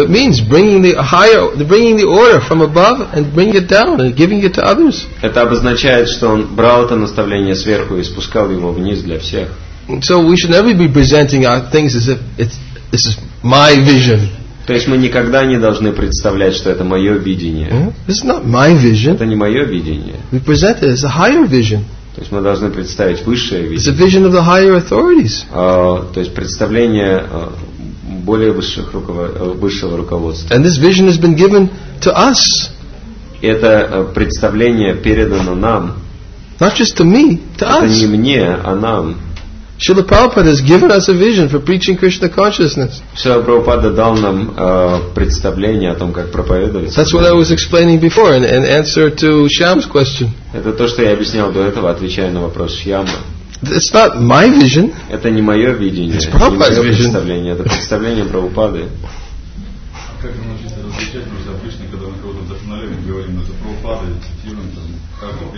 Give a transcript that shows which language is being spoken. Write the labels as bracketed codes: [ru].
[en] That means bringing the order from above and bringing it down and giving it to others. [ru] Это обозначает, что он брал это наставление сверху и спускал его вниз для всех. [en] So we should never be presenting our things as if it's this is my vision. [ru] То есть мы никогда не должны представлять, что это мое видение. [en] This is not my vision. [ru] Это не мое видение. [en] We present it as a higher vision. [ru] То есть мы должны представить высшее видение. [en] It's a vision of the higher authorities. [ru] То есть представление более высшего руководства. [en] And this vision has been given to us. [ru] Это представление передано нам. [en] Not just to me, to us. [ru] Это не мне, а нам. [en] Srila Prabhupada has given us a vision for preaching Krishna consciousness. [ru] Srila Prabhupada дал нам представление о том, как проповедовать. [en] That's what I was explaining before in answer to Shyam's question. [ru] Это то, что я объяснял до этого, отвечая на вопрос Шьяма. [en] It's not my vision. [ru] Это не мое видение. [en] It's Prabhupada's vision. [ru] Представление. Это представление Прабхупады. А как мы можем различать между обычным, когда мы кого-то вдохновляем, говорим, это Прабхупада, цитируем, там,